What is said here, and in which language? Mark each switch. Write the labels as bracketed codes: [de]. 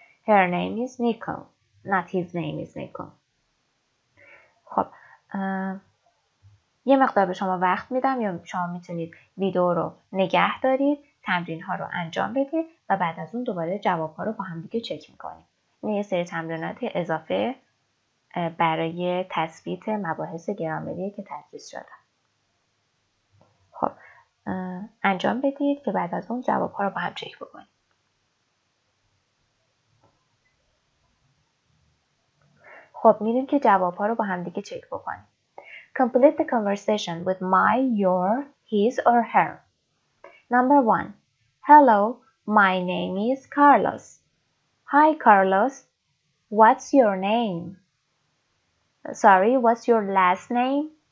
[en] Her name is Nicole, not his name is Nicole. [fa] خب یه مقدار به شما وقت میدم یا شما میتونید ویدیو رو نگه دارید تمرین ها رو انجام بدید و بعد از اون دوباره جواب ها رو با هم دیگه چک میکنید. این یه سری تمرینات اضافه برای تثبیت مباحث گرامری که تدریس شده. خب انجام بدید که بعد از اون جواب‌ها رو با هم چک بکنید. خب می‌ریم که جواب‌ها رو با هم دیگه چک بکنیم. [en] Complete the conversation with my, your, his or her. Number 1. Hello, my name is Carlos. Hi Carlos. What's your name? Sorry, what's your last name?